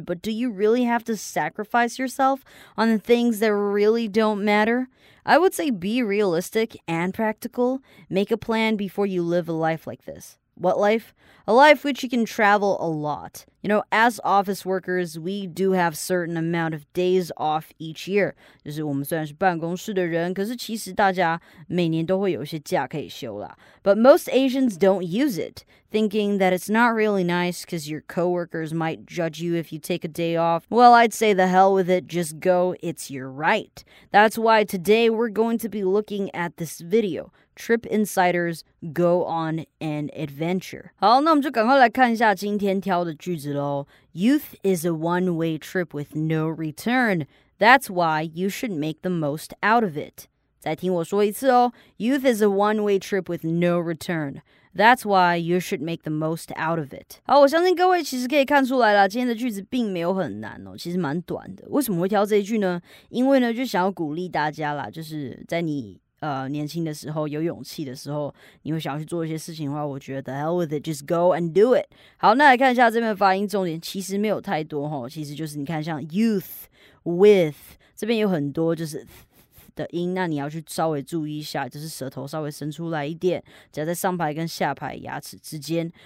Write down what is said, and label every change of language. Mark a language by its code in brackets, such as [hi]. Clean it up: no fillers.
[en] But do you really have to sacrifice yourself on the things that really don't matter? I would say be realistic and practical. Make a plan before you live a life like this. What life? A life which you can travel a lot. You know, as office workers, we do have certain amount of days off each year. [zh] 就是我们虽然是办公室的人，可是其实大家每年都会有一些假可以休啦。 [en] But most Asians don't use it, thinking that it's not really nice because your coworkers might judge you if you take a day off. Well, I'd say the hell with it, just go, it's your right. That's why today we're going to be looking at this video, Trip Insiders Go on an Adventure. [zh] 好，那我们就赶快来看一下今天挑的句子咯。 [en] Youth is a one-way trip with no return. That's why you should make the most out of it. [zh] 再听我说一次哦。 [en] Youth is a one-way trip with no return. That's why you should make the most out of it. [zh] 好，我相信各位其实可以看出来啦，今天的句子并没有很难哦，其实蛮短的。为什么会挑这一句呢？因为呢，就想要鼓励大家啦，就是在你年轻的时候，有勇气的时候，你会想要去做一些事情的话，我觉得 [en] the hell with it, just go and do it. [zh] 好，那来看一下这边的发音重点，其实没有太多哦，其实就是你看像 youth, with, 这边有很多就是的音，那你要去稍微注意一下，就是舌头稍微伸出来一点，夹在上排跟下排牙齿之间。